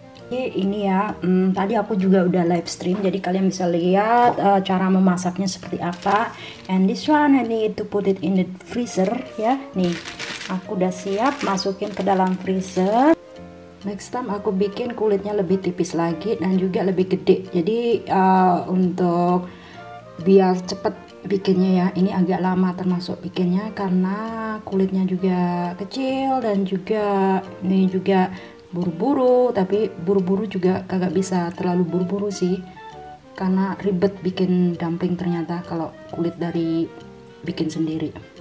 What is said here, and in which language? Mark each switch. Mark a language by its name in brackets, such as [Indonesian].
[Indonesian] Ini ya, tadi aku juga udah live stream, jadi kalian bisa lihat cara memasaknya seperti apa. [English] And this one I need to put it in the freezer ya. [Indonesian] Nih, aku udah siap masukin ke dalam freezer. [English] Next time [Indonesian] aku bikin kulitnya lebih tipis lagi dan juga lebih gede. Jadi untuk biar cepet bikinnya ya, ini agak lama termasuk bikinnya karena kulitnya juga kecil dan juga ini juga buru-buru, tapi buru-buru juga kagak bisa terlalu buru-buru sih, karena ribet bikin dumpling ternyata kalau kulit dari bikin sendiri.